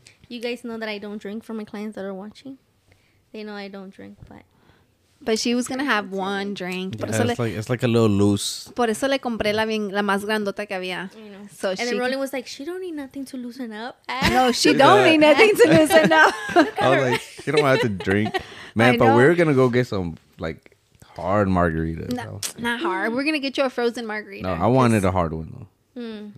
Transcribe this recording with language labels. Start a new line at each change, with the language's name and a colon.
English: You guys know that I don't drink for my clients that are watching. They know I don't drink, but. But she was going to have one drink. Yeah, it's like a little loose.
Spanish: Por eso le compré la, bien, la más grandota que había.
English: So and she, then Rolling was like, she don't need nothing to loosen up. No, she don't need nothing to loosen up. I was like, she don't have to drink. Man, but we're going to go get some like hard margaritas. Not hard. We're going to get you a frozen margarita. No, I wanted a hard one though.